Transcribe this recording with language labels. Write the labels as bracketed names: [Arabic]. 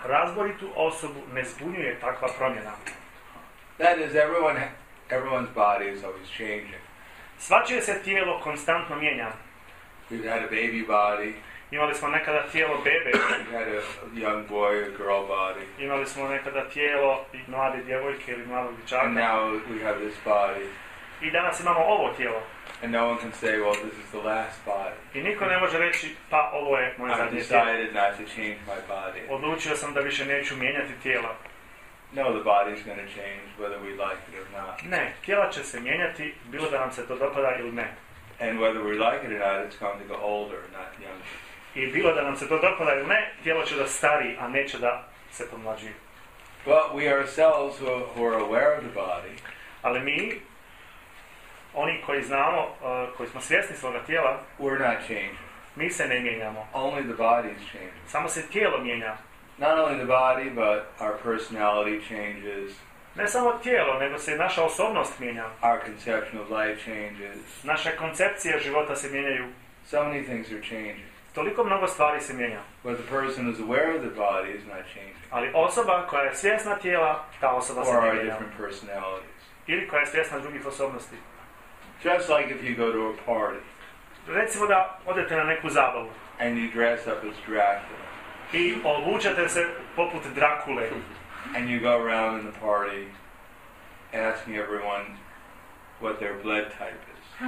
[Bosnian] Razboritu osobu ne zbunjuje takva promjena. [English] That is, everyone's body is always changing. [Bosnian] Svačije se tijelo konstantno mijenja. [English] We've had a baby body. [Bosnian] Imali smo nekada tijelo bebe. [English] We had a young boy, a girl body. [Bosnian] Imali smo nekada tijelo i mlade djevojke ili mladog dječaka. [English] And now we have this body. [Bosnian] I danas imamo ovo tijelo. [English] And no one can say, well, this is the last body. [Bosnian] I niko ne može reći, pa ovo je moje zadnje tijelo. [English] I've decided not to change my body. [Bosnian] Odlučio sam da više neću mijenjati tijela. [English] No, the body is going to change whether we like it or not. [Bosnian] Ne, tijela će se mijenjati, bilo da nam se to dopada ili ne. [English] And whether we like it or not, it's going to go older, not younger. [Bosnian] I bilo da nam se to dopada ili ne, tijelo će da stari, a neće da se pomlađi. [English] But we ourselves who are aware of the body. [Bosnian] Ali mi, oni koji znamo, koji smo svjesni svoga tijela, [English] we're not changing. [Bosnian] Mi se ne mijenjamo. [English] Only the body is changing. [Bosnian] Samo se tijelo mijenja. [English] Not only the body, but our personality changes. [Bosnian] Ne samo tijelo, nego se naša osobnost mijenja. [English] Our conception of life changes. [Bosnian] Naša koncepcija života se mijenjaju. [English] So many things are changing. [Bosnian] Toliko mnogo stvari se mijenja. [English] But the person who's aware of the body is not changing. [Bosnian] Ali osoba koja je svjesna tijela, ta osoba se mijenja. [English] Or different personalities. [Bosnian] Ili koja je svjesna drugih osobnosti. [English] Just like if you go to a party. [Bosnian] Recimo da odete na neku zabavu. [English] And you dress up as Dracula. [Bosnian] I obučete se poput Drakule. [English] And you go around in the party asking everyone what their blood type is.